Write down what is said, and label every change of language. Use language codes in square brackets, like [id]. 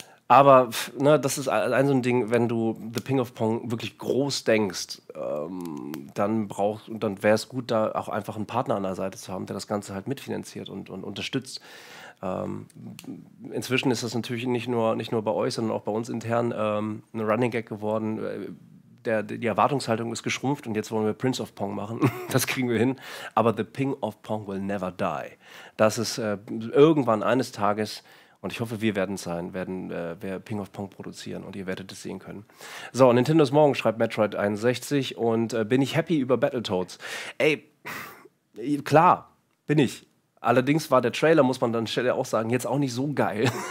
[de] Aber ne, das ist ein so ein Ding, wenn du The Ping of Pong wirklich groß denkst, dann wäre es gut, da auch einfach einen Partner an der Seite zu haben, der das Ganze halt mitfinanziert und unterstützt. Inzwischen ist das natürlich nicht nur bei euch, sondern auch bei uns intern ein Running Gag geworden. Die Erwartungshaltung ist geschrumpft und jetzt wollen wir Prince of Pong machen. Das kriegen wir hin. Aber [en] The Ping of Pong will never die. [de] Das ist irgendwann eines Tages. Und ich hoffe, wir werden es sein, wir Ping of Pong produzieren und ihr werdet es sehen können. So, Nintendo ist morgen, schreibt Metroid 61 und bin ich happy über Battletoads? Ey, klar, bin ich. Allerdings war der Trailer, muss man dann Stelle auch sagen, jetzt auch nicht so geil.